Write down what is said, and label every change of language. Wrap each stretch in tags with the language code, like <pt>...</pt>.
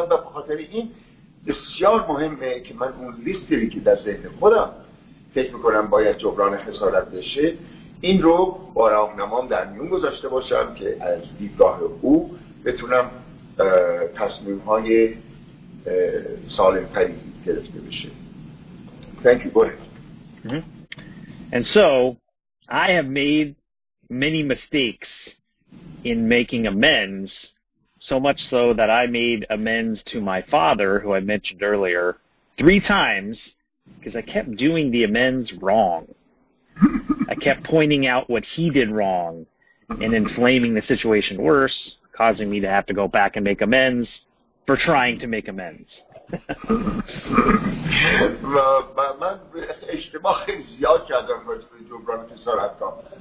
<fa>و بخاطر این بسیار مهمه که من اون لیستی که در ذهن خودم فکر میکنم باید جبران خسارت بشه، این رو با راهنمام در میون گذاشته باشم که از دیدگاه او بتونم تصمیم های سالم تری گرفته بشه.</fa> <en>Thank you. Go ahead. Mm-hmm. And so, I have made many mistakes in making amends, so much so that I made amends to my father, who I mentioned earlier, 3 times, because I kept doing the amends wrong. I kept pointing out what he did wrong and inflaming the situation worse, causing me to have to go back and make amends for trying to make amends.</en> <fa>و من اشتباه خیلی زیاد کردم برای جبران خسارت کام.</fa>